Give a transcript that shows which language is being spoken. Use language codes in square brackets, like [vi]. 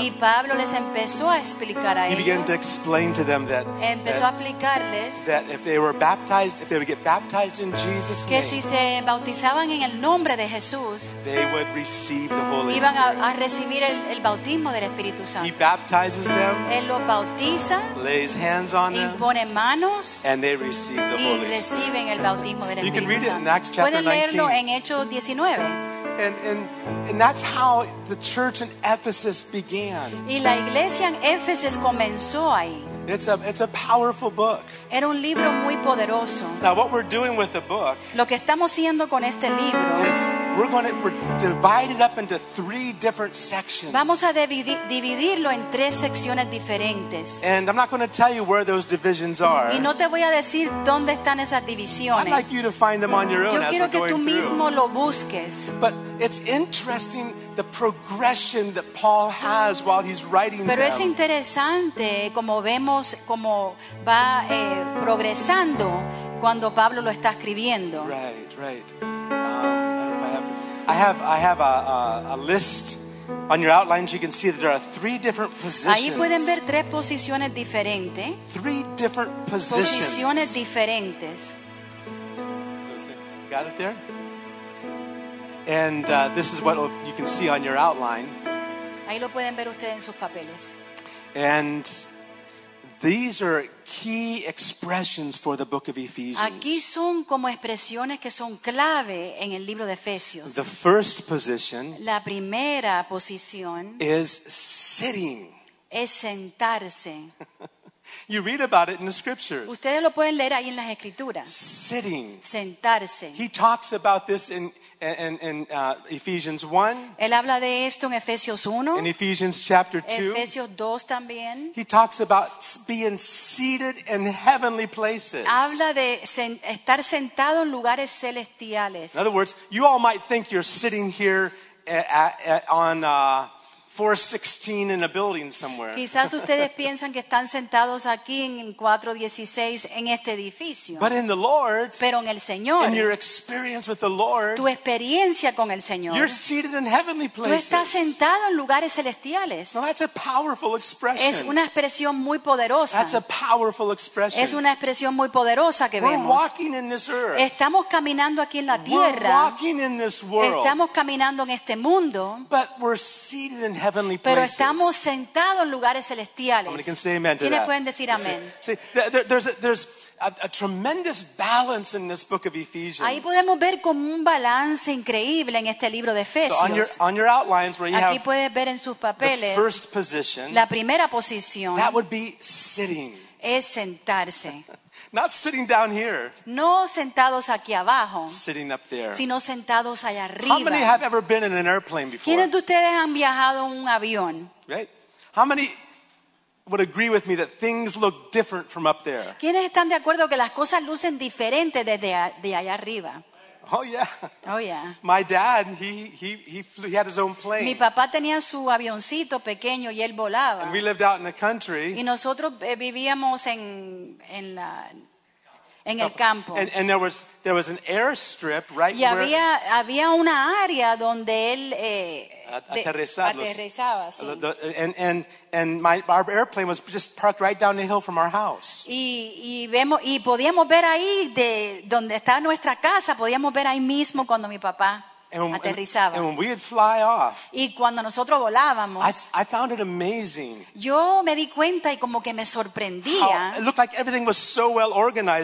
[es] Y Pablo les empezó a explicar a ellos. [en] He began to explain to them that, [es] empezó a explicarles [en] that if they were baptized, if they would get baptized in Jesus' [es] que [en] name, [es] si se bautizaban en el nombre de Jesús, [en] they would receive the Holy [es] iban [en] Spirit. [es] A recibir el bautismo del Espíritu Santo. [en] He baptizes them, [es] él los bautiza, [en] lays hands on them, [es] impone manos, [en] and they receive the [es] y [en] Holy [es] reciben [en] Spirit. [es] El bautismo del [en] you [es] Espíritu [en] can read [es] Santo. [en] It in Acts chapter 19. [es] Pueden leerlo en Hechos 19. [en] And that's how the church in Ephesus began. [es] Y la iglesia en Éfesis comenzó ahí. [en] It's a powerful book. [es] Era un libro muy poderoso. [en] Now what we're doing with the book, [es] lo que estamos haciendo con este libro, [en] is we're divided up into three different sections. [es] Vamos a dividirlo en tres secciones diferentes. [en] And I'm not going to tell you where those divisions are. [es] Y no te voy a decir dónde están esas divisiones. [en] I'd like you to find them on your own. [es] Yo quiero [en] as we're [es] que [en] going [es] tú mismo [en] through. [es] Lo busques. [en] But it's interesting the progression that Paul has while he's writing [es] Pero [en] them. [es] Pero es interesante como vemos cómo va progresando cuando Pablo lo está escribiendo. [en] Right, right. I have a list on your outlines. You can see that there are three different positions. [es] Ahí pueden ver tres posiciones diferentes. [en] Three different positions. [es] Posiciones diferentes. [en] So, got it there? And this is what you can see on your outline. [es] Ahí lo pueden ver ustedes en sus papeles. [en] And these are key expressions for the book of Ephesians. [es] Aquí son como expresiones que son clave en el libro de Efesios. [en] The first position, [es] la primera posición, [en] is sitting. [es] Es sentarse. [en] You read about it in the scriptures. [es] Ustedes lo pueden leer ahí en las escrituras. [en] Sitting. [es] Sentarse. [en] He talks about this in Ephesians 1. [es] Él habla de esto en Efesios 1. [en] In Ephesians chapter 2. [es] Efesios 2 también. [en] He talks about being seated in heavenly places. [es] Habla de estar sentado en lugares celestiales. [en] In other words, you all might think you're sitting here on 416 in a building somewhere. [es] Quizás ustedes piensan que están sentados aquí en 416 en este edificio. [en] But in the Lord, [es] pero en el Señor, [en] in your experience with the Lord, [es] tu experiencia con el Señor, [en] you're seated in heavenly places. [es] Tú estás sentado en lugares celestiales. [en] Now that's a powerful expression. [es] Es una expresión muy poderosa. [en] That's a powerful expression. [es] Es una expresión muy poderosa que [en] We're [es] vemos. [en] We're walking in this earth. [es] Estamos caminando aquí en la tierra. [en] We're walking in this world. [es] Estamos caminando en este mundo. [en] But we're seated in heavenly places. [es] Pero estamos sentados en lugares celestiales. [en] How many can say amen to that? [es] ¿Quiénes pueden decir amén? [en] There's a tremendous balance in this book of Ephesians. [es] Ahí podemos ver como un balance increíble en este libro de Efesios. [en] So on your outlines where you [es] aquí [en] have [es] puedes ver en sus papeles, [en] the first position, [es] la primera posición, [en] that would be sitting. [es] Es sentarse. [en] Not sitting down here. [es] No sentados aquí abajo. [en] Sitting up there. [es] Sino sentados allá arriba. [en] How many have ever been in an airplane before? [es] ¿Quiénes de ustedes han viajado en un avión? [en] Right. How many would agree with me that things look different from up there? [es] ¿Quiénes están de acuerdo que las cosas lucen diferentes desde de allá arriba? [en] Oh yeah. Oh yeah. My dad, he flew. He had his own plane. [es] Mi papá tenía su avioncito pequeño y él volaba. [en] And we lived out in the country. [es] Y nosotros vivíamos en el campo. [en] And there was an airstrip right [es] y [en] where. [es] Y había una área donde él aterrizaba. Sí. [en] Our airplane was just parked right down the hill from our house. [es] Y podíamos ver ahí de donde está nuestra casa, podíamos ver ahí mismo cuando mi papá aterrizaba. [en] And when we would fly off. [es] Y cuando nosotros volábamos. [en] I found it amazing. [es] Yo me di cuenta y como que me sorprendía. [en] It looked like everything was so well organized